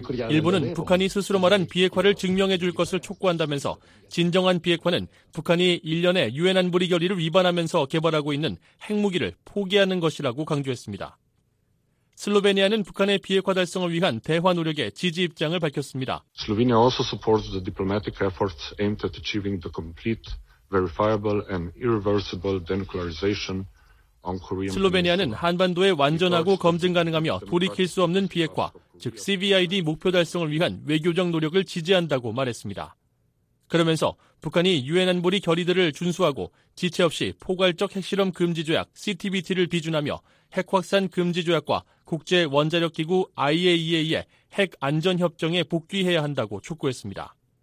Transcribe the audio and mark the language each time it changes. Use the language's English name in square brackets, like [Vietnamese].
[Korean] 일본은 북한이 스스로 말한 비핵화를 증명해 줄 것을 촉구한다면서 진정한 비핵화는 북한이 1년에 유엔 안보리 결의를 위반하면서 개발하고 있는 핵무기를 포기하는 것이라고 강조했습니다. 슬로베니아는 북한의 비핵화 달성을 위한 대화 노력에 지지 입장을 밝혔습니다. [English] 슬로베니아 also supports the diplomatic efforts aimed at achieving the complete, verifiable and irreversible denuclearization. [Korean] 슬로베니아는 한반도의 완전하고 검증 가능하며 돌이킬 수 없는 비핵화, 즉 CVID 목표 달성을 위한 외교적 노력을 지지한다고 말했습니다. 그러면서 북한이 유엔 안보리 결의들을 준수하고 지체 없이 포괄적 핵실험 금지 조약 CTBT를 비준하며 핵확산 금지 조약과 국제 원자력 기구 IAEA의 핵 안전 협정에 복귀해야 한다고 촉구했습니다.